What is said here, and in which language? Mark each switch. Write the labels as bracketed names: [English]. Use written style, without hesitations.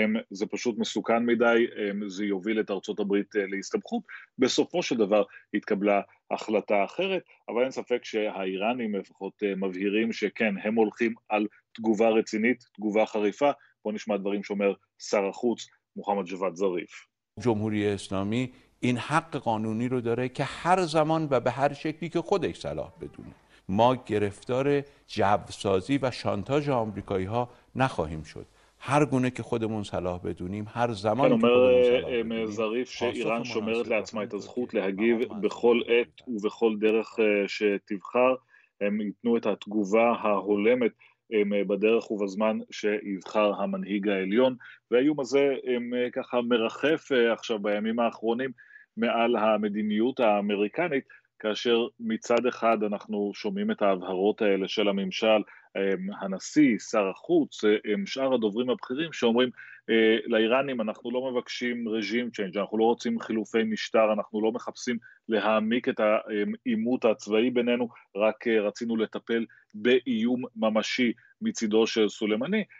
[Hebrew] זה פשוט מסוכן מדי, זה יוביל את ארצות הברית להסתבכות, בסופו של דבר התקבלה החלטה אחרת, אבל אין ספק שהאיראנים לפחות מבהירים שכן, הם הולכים על תגובה רצינית, תגובה חריפה. בוא נשמע דברים שאומר שר החוץ מוחמד ג'וואד זריף. [Persian] ג'ומהוריה אסלאמי این حق قانونی رو داره که هر زمان و به هر شکلی که خودش صلاح بدونه. ما گرفتار جوسازی و شانتاج آمریکایی ها نخواهیم شد. هر گونه که خودمون صلاح بدونیم، هر زمان که خودمون صلاح بدونیم. امر ظریف [Hebrew] שאיראן שומרת לעצמה את הזכות להגיב בכל עת ובכל דרך שתבחר. הם ייתנו את התגובה ההולמת בדרך ובזמן שיבחר המנהיג העליון. והאיום הזה ככה מרחף עכשיו בימים האחרונים מעל המדיניות האמריקנית, כאשר מצד אחד אנחנו שומעים את ההבהרות האלה של הממשל, הנשיא, שר החוץ, שאר הדוברים הבכירים שאומרים לאיראנים, אנחנו לא מבקשים רג'ים צ'יינג', אנחנו לא רוצים חילופי משטר, אנחנו לא מחפשים להעמיק את האימות הצבאי בינינו, רק רצינו לטפל באיום ממשי מצידו של סולימני.